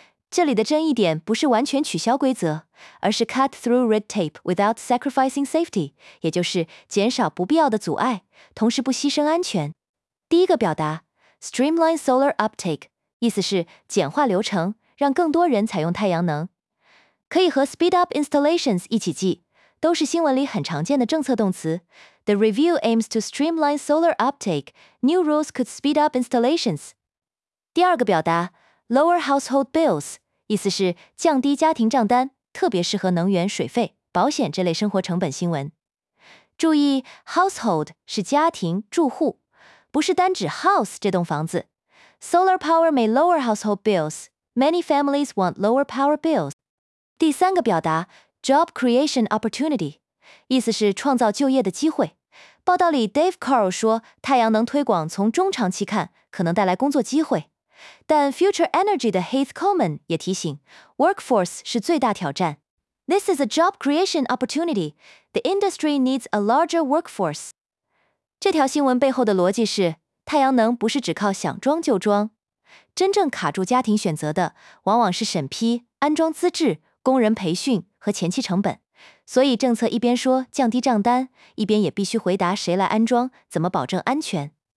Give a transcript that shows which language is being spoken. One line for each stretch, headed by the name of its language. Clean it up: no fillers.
Chinese: 这里的争议点不是完全取消规则，而是
English: cut through red tape without sacrificing safety，
Chinese: 也就是减少不必要的阻碍，同时不牺牲安全。第一个表达
English: streamline solar uptake，
Chinese: 意思是简化流程，让更多人采用太阳能。可以和
English: speed up installations
Chinese: 一起记，都是新闻里很常见的政策动词。
English: The review aims to streamline solar uptake. New rules could speed up installations.
Chinese: 第二个表达 ,
English: lower household bills,
Chinese: 意思是降低家庭账单，特别适合能源、水费、保险这类生活成本新闻。注意 ,household 是家庭、住户，不是单指 house 这栋房子。
English: Solar power may lower household bills. Many families want lower power bills.
Chinese: 第三个表达
English: Job creation opportunity，
Chinese: 意思是创造就业的机会。报道里 Dave Carl 说，太阳能推广从中长期看可能带来工作机会，但 Future Energy 的 Heath Coleman 也提醒 ，workforce 是最大挑战。
English: This is a job creation opportunity. The industry needs a larger workforce.
Chinese: 这条新闻背后的逻辑是，太阳能不是只靠想装就装，真正卡住家庭选择的往往是审批、安装资质、工人培训和前期成本，所以政策一边说降低账单，一边也必须回答谁来安装，怎么保证安全。